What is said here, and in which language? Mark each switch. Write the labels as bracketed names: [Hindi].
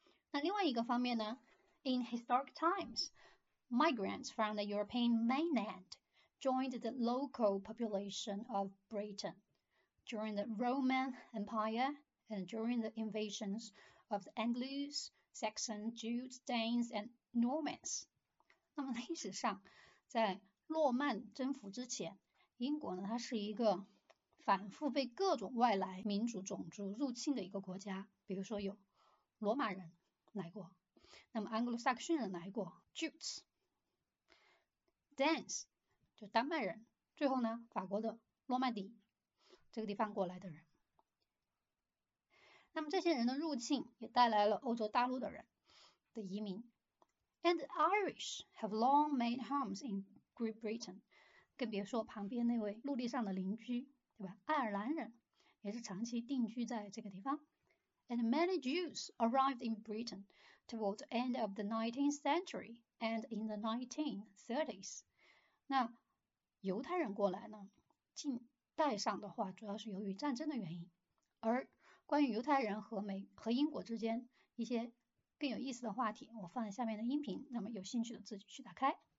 [Chinese] 那另外一个方面呢 [English] ？In historic times, migrants from the European mainland joined the local population of Britain during the Roman Empire and during the invasions of the Angles, Saxons, Jutes, Danes, and Normans. [Chinese] 那么历史上，在诺曼征服之前，英国呢，它是一个反复被各种外来民族种族入侵的一个国家，比如说有罗马人来过，那么安格鲁萨克逊人来过 ，Jutes、Danes 就丹麦人，最后呢法国的诺曼底这个地方过来的人。那么这些人的入侵也带来了欧洲大陆的人的移民。 [English] And the Irish have long made homes in Great Britain， [Chinese] 更别说旁边那位陆地上的邻居。爱尔兰人也是长期定居在这个地方。 [English] And many Jews arrived in Britain toward the end of the 19th century and in the 1930s. [Chinese] 那犹太人过来呢，近代上的话主要是由于战争的原因。而关于犹太人和英国之间一些更有意思的话题，我放在下面的音频，那么有兴趣的自己去打开。